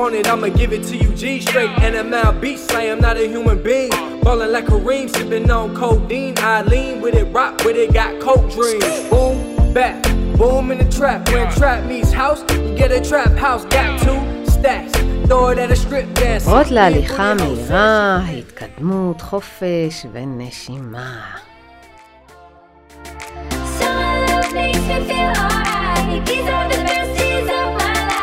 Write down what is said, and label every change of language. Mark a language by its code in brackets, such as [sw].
[en] I'ma give it to you G straight NML beat slam, not a human being Ballin' like Kareem, sippin' on codeine I lean with it, rock with it, got coke dreams Boom, bap, boom in the trap When trap meets house, you get a trap house Got two stacks, throw it at a strip dance [he] עוד להליכה מהירה, התקדמות, חופש ונשימה [en] Summer love makes me feel alright These are the best days of my